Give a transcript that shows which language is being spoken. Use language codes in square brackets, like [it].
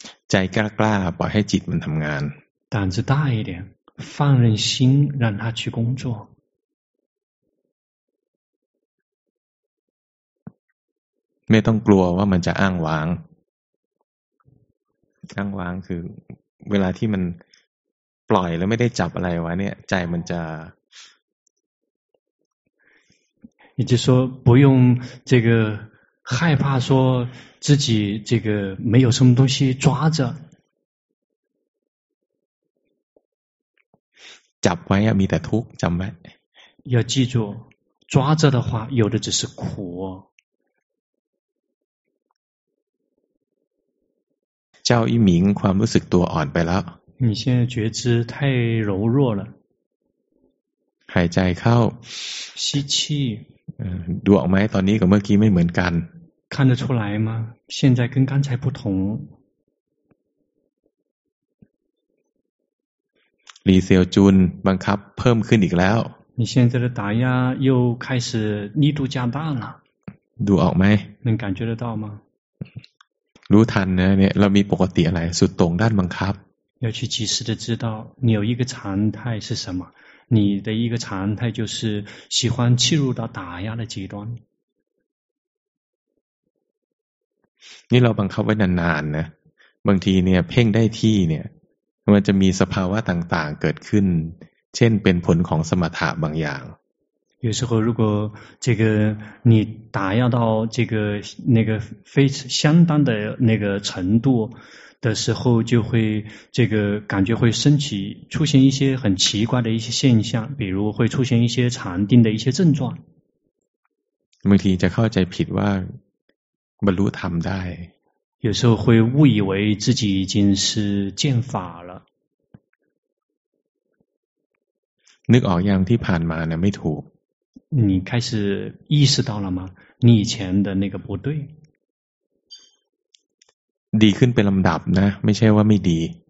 [th] ใจกล้าๆปล่อยให้จิตมันทำงาน [zh] 胆子大一点放任心让它去工作 [th] ไม่ต้องกลัวว่ามันจะอ้างว้างอ้างว้างคือเวลาที่มันปล่อยแล้วไม่ได้จับอะไรไว้เนี่ยใจมันจะ [zh] 也就是说不用这个害怕说自己这个没有什么东西抓着。 [th] จับไว้มีแต่ทุกข์จำไว้ [zh] 要记住抓着的话有的只是苦 [th] เจ้าอีหมิงความรู้สึกตัวอ่อนไปแล้ว [zh] 你现在觉知太柔弱了 [th] หายใจเข้า [zh] 吸气 [th] ดูออกไหมตอนนี้กับเมื่อกี้ไม่เหมือนกัน [zh] 看得出来吗现在跟刚才不同 [th] รีเซลจูนบังคับเพิ่มขึ้นอีกแล้ว [zh] 你现在的打压又开始力度加大了 [th] ดูออกไหม [zh] 能感觉得到吗 [th] รู้ทันนะเนี่ยเรามีปกติอะไรสุดตรงด้านบังคับ [zh] 要去及时的知道你有一个常态是什么你的一个常态就是喜欢进入到打压的阶段 [th] นี่เราบังคับไว้นานๆ นะบางทีเนี่ยเพ่งได้ที่เนี่ยมันจะมีสภาวะต่างๆเกิดขึ้นเช่นเป็นผลของสมถะบางอย่าง [zh] 有时候如果这个你打压到这个那个非相当的那个程度的时候就会这个感觉会升起出现一些很奇怪的一些现象比如会出现一些禅定的一些症状 [th] บางทีจะเข้าใจผิดว่าบรรลุธรรมได้ [zh] 有时候会误以为自己已经是见法了。 [th] นึกออกยังที่ผ่านมาเนี่ยไม่ถูก。 [zh] 你开始意识到了吗？你以前的那个不对。 [th] ดีขึ้นเป็นลำดับนะไม่ใช่ว่าไม่ดี。